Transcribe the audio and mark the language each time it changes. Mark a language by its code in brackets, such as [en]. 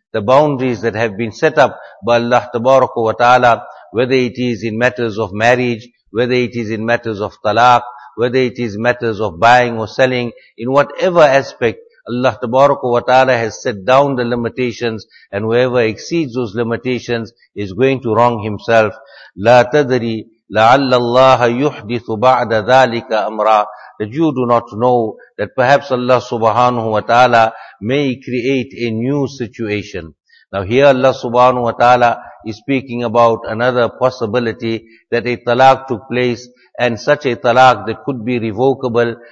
[en] the boundaries that have been set up by Allah Tabaraka wa Ta'ala, whether it is in matters of marriage, whether it is in matters of talaq, whether it is matters of buying or selling, in whatever aspect Allah Tabaraka wa Ta'ala has set down the limitations, and whoever exceeds those limitations is going to wrong himself. [ar] لا تدري لعل الله يحدث بعد ذلك أمرا. [en] That you do not know that perhaps Allah subhanahu wa ta'ala may create a new situation. Now here Allah subhanahu wa ta'ala is speaking about another possibility, that a talaq took place, and such a talaq that could be revocable.